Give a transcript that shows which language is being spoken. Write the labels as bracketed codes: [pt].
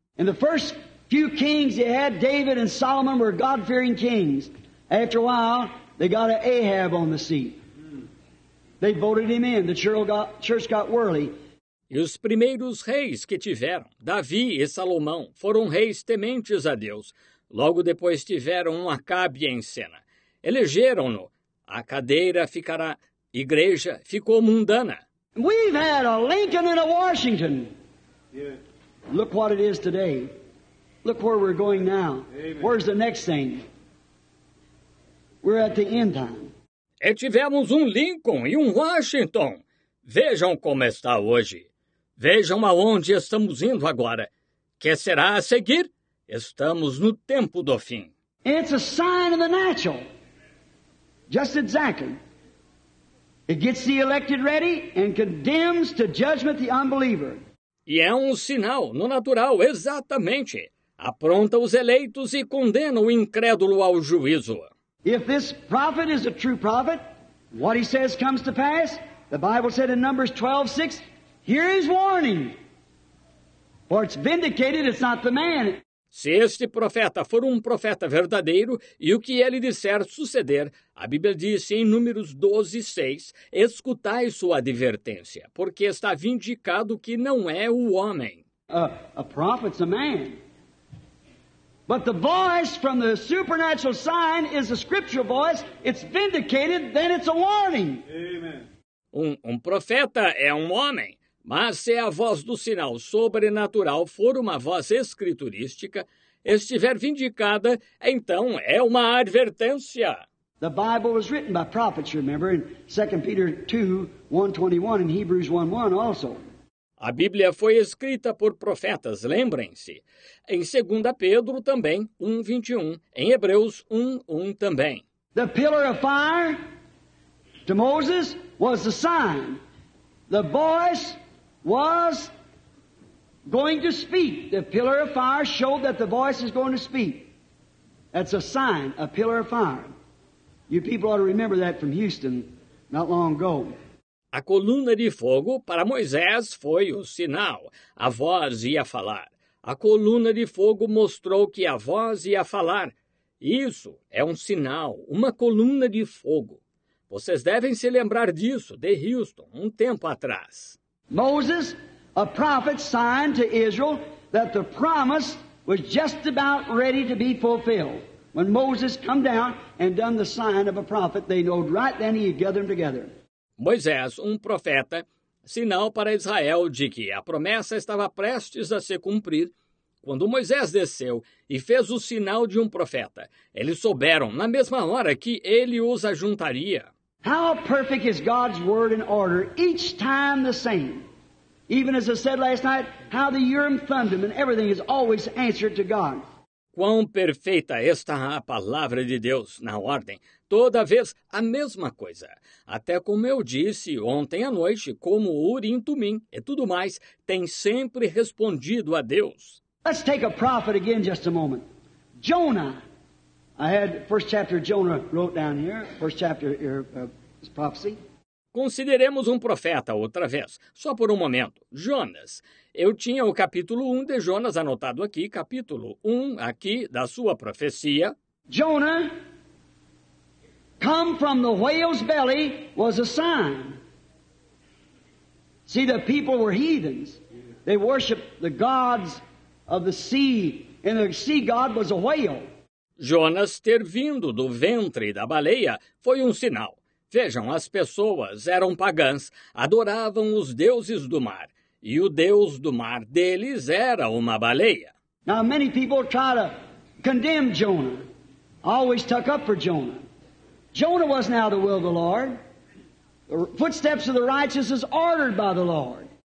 [en] And the first few kings they had, David and Solomon, were God-fearing kings. After a while, they got an Ahab on the seat. They voted him in. The church got worldly. [pt] E os primeiros reis que tiveram, Davi e Salomão, foram reis tementes a Deus. Logo depois tiveram um Acabe em cena. Elegeram-no. A cadeira ficará, igreja ficou mundana. [en] We've had a Lincoln and a Washington. Yes. Look what it is today. Look where we're going now. Amen. Where's the next thing? We're at the end time. [pt] E tivemos um Lincoln e um Washington. Vejam como está hoje. Vejam aonde estamos indo agora. Que será a seguir? Estamos no tempo do fim. [en] It's a sign of the natural. Just exactly. It gets the elected ready and condemns to judgment the unbeliever. [pt] E é um sinal no natural, exatamente. Apronta os eleitos e condena o incrédulo ao juízo. [en] If this prophet is a true prophet, what he says comes to pass. The Bible said in Numbers 12:6, here is warning. For it's vindicated, it's not the man. [pt] Se este profeta for um profeta verdadeiro, e o que ele disser suceder, a Bíblia diz em Números 12:6, escutai sua advertência, porque está vindicado que não é o homem. [en] A prophet's a man. But the voice from the supernatural sign is a scriptural voice. It's vindicated, then it's a warning. Amen. [pt] Um profeta é um homem, mas se a voz do sinal sobrenatural for uma voz escriturística, estiver vindicada, então é uma advertência. [en] The Bible was written by prophets, you remember, in 2 Peter 2:21 and Hebrews 1:1 also. [pt] A Bíblia foi escrita por profetas, lembrem-se. Em 2 Pedro também, 1:21. Em Hebreus 1:1 também. [en] The pillar of fire to Moses was the sign. The voice was going to speak. The pillar of fire showed that the voice is going to speak. That's a sign, a pillar of fire. You people ought to remember that from Houston not long ago. [pt] A coluna de fogo para Moisés foi o sinal. A voz ia falar. A coluna de fogo mostrou que a voz ia falar. Isso é um sinal, uma coluna de fogo. Vocês devem se lembrar disso, de Houston, um tempo atrás. [en] Moses, a prophet, signed to Israel that the promise was just about ready to be fulfilled. When Moses come down and done the sign of a prophet, they knew right then he'd gather them together. [pt] Moisés, um profeta, sinal para Israel de que a promessa estava prestes a se cumprir. Quando Moisés desceu e fez o sinal de um profeta, eles souberam na mesma hora que ele os ajuntaria. [en] How perfect is God's word and order, each time the same. Even as I said last night, how the Urim Thummim and everything is always answered to God. [pt] Quão perfeita está a palavra de Deus na ordem. Toda vez a mesma coisa. Até como eu disse ontem à noite, como Urim Tumim e tudo mais, tem sempre respondido a Deus. [en] Let's take a prophet again just a moment. Jonah. I had first chapter of Jonah wrote down here. First chapter here is prophecy. [pt] Consideremos um profeta outra vez, só por um momento. Jonas. Eu tinha o capítulo 1 de Jonas anotado aqui, capítulo 1 aqui da sua profecia. [en] Jonah, come from the whale's belly was a sign. See, the people were heathens. They worshiped the gods of the sea, and the sea god was a whale. [pt] Jonas ter vindo do ventre da baleia foi um sinal. Vejam, as pessoas eram pagãs, adoravam os deuses do mar, e o deus do mar deles era uma baleia. [en] Now many people try to condemn Jonah. Always took up for Jonah. Jonah wasn't out of the will of the Lord. The footsteps of the righteous is ordered by the Lord.